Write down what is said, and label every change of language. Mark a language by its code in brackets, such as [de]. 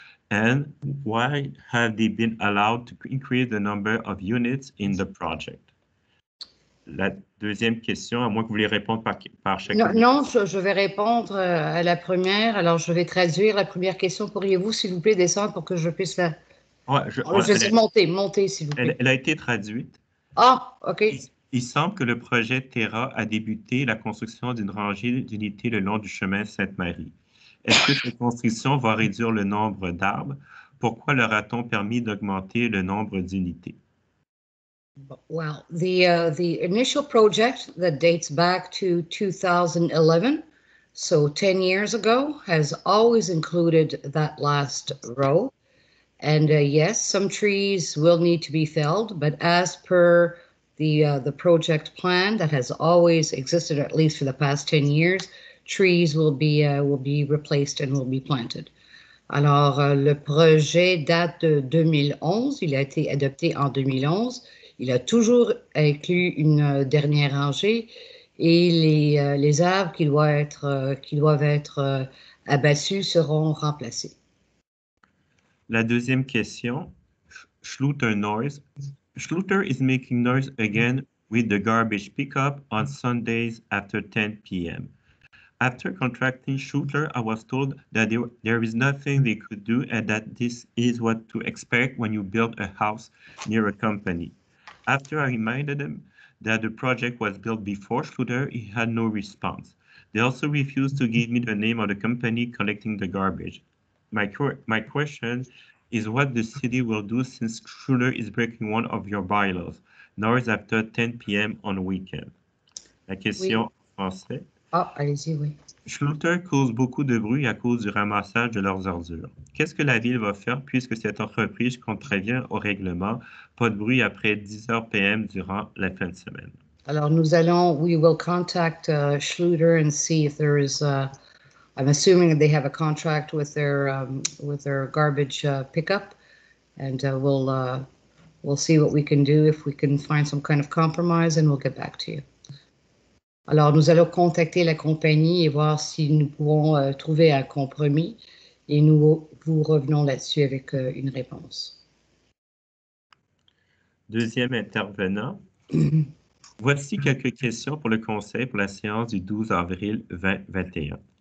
[en] And why have they been allowed to increase the number of units in the project? [fr] La deuxième question, à moins que vous voulez répondre par chacun. Non, non, je vais répondre à la première. Alors, je vais traduire la première question. Pourriez-vous, s'il vous plaît, descendre pour que je puisse la... Je vais monter, s'il vous plaît. Elle a été traduite. Ah, OK. Il semble que le projet Terra a débuté la construction d'une rangée d'unités le long du chemin Sainte-Marie. Est-ce que cette construction va réduire le nombre d'arbres? Pourquoi leur a-t-on permis d'augmenter le nombre d'unités? [en] Well, the initial project that dates back to 2011, so 10 years ago, has always included that last row. And yes, some trees will need to be felled, but as per the project plan that has always existed, at least for the past 10 years, trees will be replaced and will be planted. [fr] Alors, le projet date de 2011, il a été adopté en 2011. Il a toujours inclus une dernière rangée et les arbres qui doivent être abattus seront remplacés. La deuxième question, Schluter noise. [en] Schluter is making noise again with the garbage pickup on Sundays after 10 p.m. After contracting Schuttler, I was told that there is nothing they could do and that this is what to expect when you build a house near a company. After I reminded him that the project was built before Schuttler, he had no response. They also refused to give me the name of the company collecting the garbage. My question is what the city will do since Schuttler is breaking one of your bylaws, nor is after 10 p.m. on a weekend. [fr] La question en français. Ah, allez-y, oui. Schuttler cause beaucoup de bruit à cause du ramassage de leurs ordures. Qu'est-ce que la ville va faire puisque cette entreprise contrevient au règlement? Pas de bruit après 10 heures p.m. durant la fin de semaine. Alors, nous allons, [en] we will contact Schuttler and see if there is, I'm assuming that they have a contract with their garbage pickup. And we'll see what we can do, if we can find some kind of compromise, and we'll get back to you. [fr] Alors, nous allons contacter la compagnie et voir si nous pouvons trouver un compromis et nous vous revenons là-dessus avec une réponse. Deuxième intervenant, voici quelques questions pour le conseil pour la séance du 12 avril 2021.